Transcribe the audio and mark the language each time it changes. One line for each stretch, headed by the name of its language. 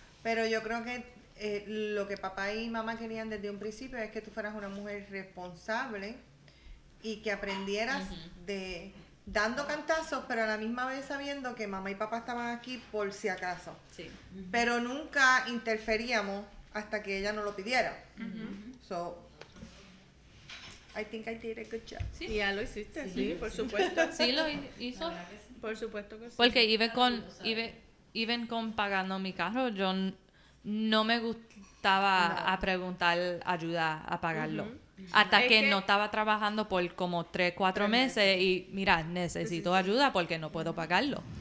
Spanish: Pero yo creo que lo que papá y mamá querían desde un principio es que tú fueras una mujer responsable y que aprendieras de dando cantazos, pero a la misma vez sabiendo que mamá y papá estaban aquí por si acaso. Sí. Pero nunca interferíamos hasta que ella no lo pidiera.
English: So, I think I did a good job.
Spanish: Sí. Ya lo hiciste, sí, por supuesto. Sí, lo hizo. Sí. Por supuesto que sí. Porque iba con pagando mi carro, yo no me gustaba a preguntar ayuda a pagarlo. Hasta es que no estaba trabajando por como 3-4 meses y mira, necesito ayuda porque no puedo pagarlo.